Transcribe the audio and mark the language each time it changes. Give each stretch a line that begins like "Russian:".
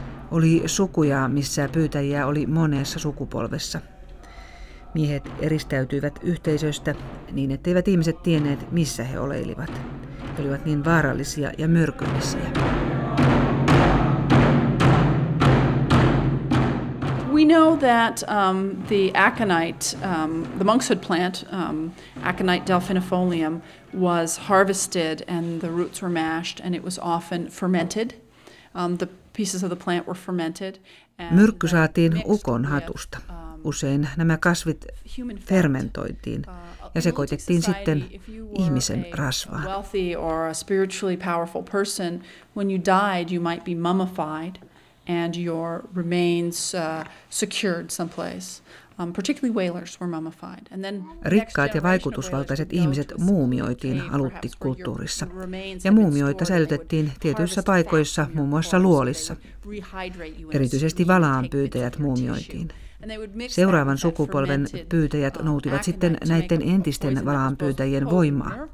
Finnish: Oli sukuja, missä pyytäjiä oli monessa sukupolvessa. Miehet eristäytyivät yhteisöstä niin, etteivät ihmiset tienneet, missä he oleilivat. He olivat niin vaarallisia ja myrkyllisiä.
English: We know that the aconite, the monkshood plant, aconite delphinifolium, was harvested and the roots were mashed and it was often fermented. The pieces of the plant were fermented.
Finnish: Myrkky saatiin ukon hatusta. Usein nämä kasvit fermentoitiin ja sekoitettiin sitten ihmisen rasvaan.
English: Wealthy or a spiritually powerful person, when you died, you might be mummified. And your remains secured someplace. Particularly whalers were mummified. And then
Finnish: rikkaat ja vaikutusvaltaiset ihmiset muumioitiin aluttikulttuurissa. Ja muumioita säilytettiin tietyissä paikoissa, muun muassa luolissa. Erityisesti valaanpyytäjät muumioitiin. Seuraavan sukupolven pyytäjät noutivat sitten näiden entisten valaanpyytäjien voimaa.